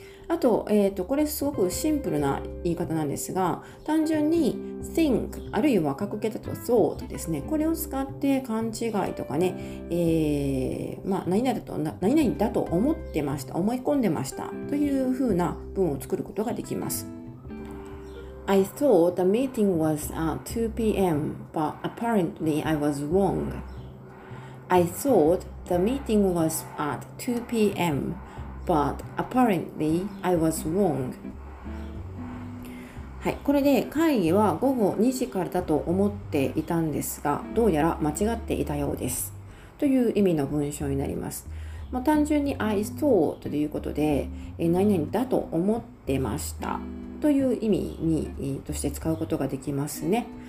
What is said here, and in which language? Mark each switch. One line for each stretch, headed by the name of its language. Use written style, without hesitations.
Japanese: あと、これすごくシンプルな言い方なんですが、単純に think あるいは過去形だと thought ですね。これを使って勘違いとかね、何々だと思ってました、思い込んでましたというふうな文を作ることができます。
English: I thought the meeting was at 2 p.m. but apparently I was wrong. I thought the meeting was at 2 p.m. But apparently, I was wrong.
Japanese: はい、これで会議は午後2時からだと思っていたんですが、どうやら間違っていたようです。という意味の文章になります。まあ、単純に
English: I thought
Japanese: ということで、何々だと思ってましたという意味にとして使うことができますね。